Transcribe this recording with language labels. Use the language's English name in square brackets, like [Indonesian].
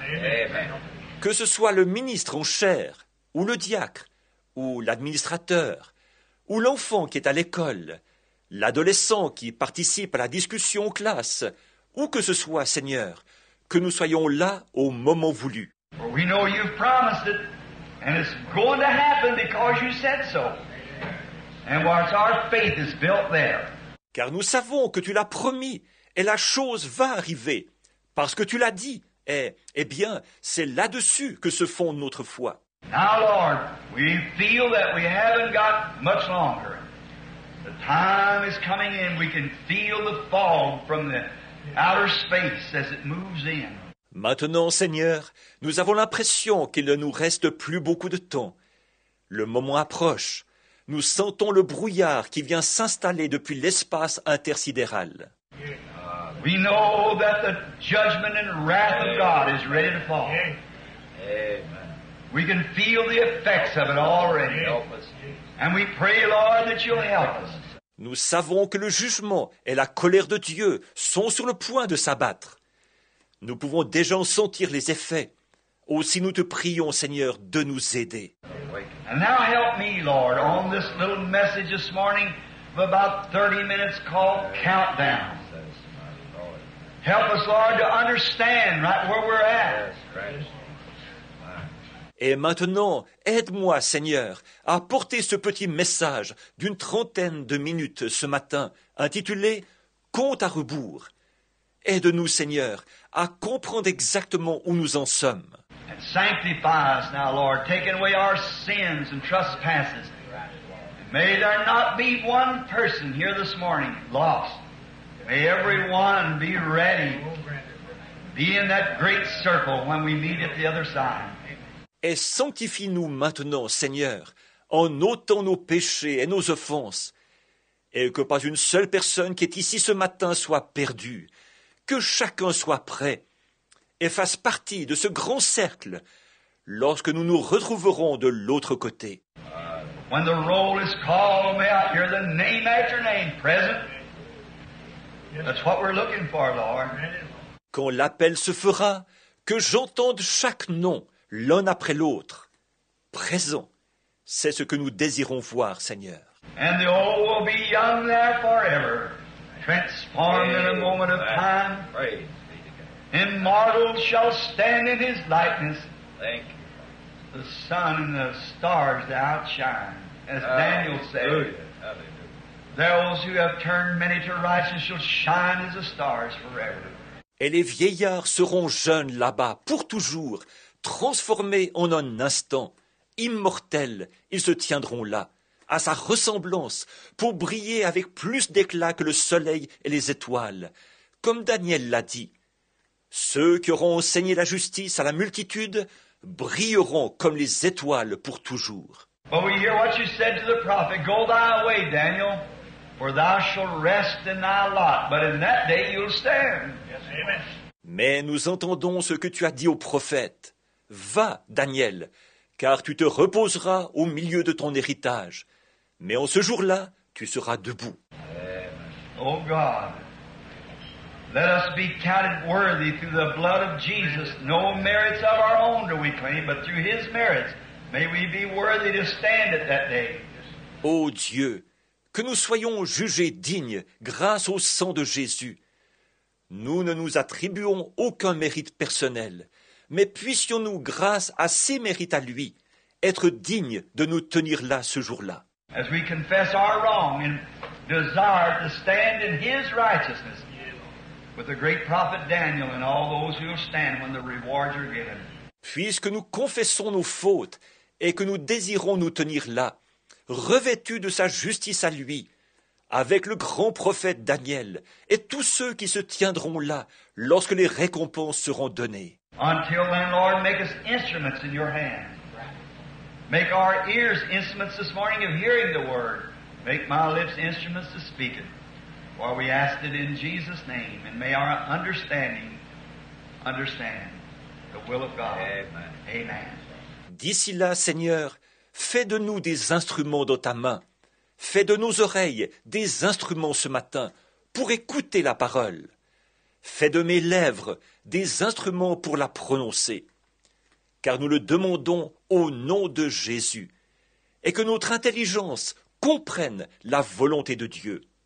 [English] Amen. [French] Que ce soit le ministre en chair, ou le diacre, ou l'administrateur, ou l'enfant qui est à l'école, l'adolescent qui participe à la discussion en classe, ou que ce soit, Seigneur, que nous soyons là au moment voulu. [English] We know you've promised it, and it's going to happen because you said so. And once our faith is built there. [French] Car nous savons que tu l'as promis, et la chose va arriver, parce que tu l'as dit, et, eh bien, c'est là-dessus que se fonde notre foi. [English] Now, Lord, we feel that we haven't got much longer. The time is coming in, we can feel the fog from the outer space as it moves in. [French] Maintenant, Seigneur, nous avons l'impression qu'il ne nous reste plus beaucoup de temps. Le moment approche. Nous sentons le brouillard qui vient s'installer depuis l'espace intersidéral. [English] We know that the judgment and wrath of God is ready to fall. Amen. We can feel the effects of it already. And we pray, Lord, that you'll help us. [French] Nous savons que le jugement et la colère de Dieu sont sur le point de s'abattre. Nous pouvons déjà en sentir les effets. Aussi nous te prions, Seigneur, de nous aider. [English] And now help me, Lord, on this little message this morning of about 30 minutes called Countdown. Help us, Lord, to understand right where we're at. [French] Et maintenant, aide-moi, Seigneur, à porter ce petit message d'une trentaine de minutes ce matin, intitulé « Compte à rebours ». Aide-nous, Seigneur, à comprendre exactement où nous en sommes. [English] And sanctify us now, Lord, taking away our sins and trespasses. And may there not be one person here this morning lost. May everyone be ready. Be in that great circle when we meet at the other side. [French] Et sanctifie-nous maintenant, Seigneur, en ôtant nos péchés et nos offenses, et que pas une seule personne qui est ici ce matin soit perdue, que chacun soit prêt et fasse partie de ce grand cercle lorsque nous nous retrouverons de l'autre côté. [English] When the roll is called, may I hear the name after name present? That's what we're looking for, Lord. [French] Quand l'appel se fera, que j'entende chaque nom l'un après l'autre, présent, c'est ce que nous désirons voir, Seigneur. [English] And the old will be young there forever, transformed in a moment of time. Immortal shall stand in his likeness. Thank you. The sun and the stars that outshine, as Daniel said. Those who have turned many to righteousness shall shine as the stars forever. [French] Et les vieillards seront jeunes là-bas pour toujours. Transformé en un instant, immortel, ils se tiendront là, à sa ressemblance, pour briller avec plus d'éclat que le soleil et les étoiles. Comme Daniel l'a dit, ceux qui auront enseigné la justice à la multitude brilleront comme les étoiles pour toujours. [English] But we hear what you said to the prophet, go thy way, Daniel, for thou shalt rest in thy lot, but in that day you'll stand. Yes, amen. [French] Mais nous entendons ce que tu as dit au prophète. Va, Daniel, car tu te reposeras au milieu de ton héritage. Mais en ce jour-là, tu seras debout. [English] Oh God, let us be counted worthy through the blood of Jesus. No merits of our own do we claim, but through His merits may we be worthy to stand at that day. [French] Oh Dieu, que nous soyons jugés dignes grâce au sang de Jésus. Nous ne nous attribuons aucun mérite personnel, mais puissions-nous, grâce à ses mérites à lui, être dignes de nous tenir là ce jour-là. [English] As we confess our wrong and desire to stand in his righteousness with the great prophet Daniel and all those who stand when the rewards are given. [French] Puisque nous confessons nos fautes et que nous désirons nous tenir là, revêtus de sa justice à lui, avec le grand prophète Daniel et tous ceux qui se tiendront là lorsque les récompenses seront données. [English] Until then, Lord, make us instruments in your hand. Make our ears instruments this morning of hearing the word. Make my lips instruments to speak it. For we ask it in Jesus' name, and may our understanding understand the will of God. Amen. Amen. [French] D'ici là, Seigneur, fais de nous des instruments dans ta main. Fais de nos oreilles des instruments ce matin pour écouter la parole. Fais de mes lèvres des instruments pour la prononcer. Car nous le demandons au nom de Jésus et que notre intelligence comprenne la volonté de Dieu.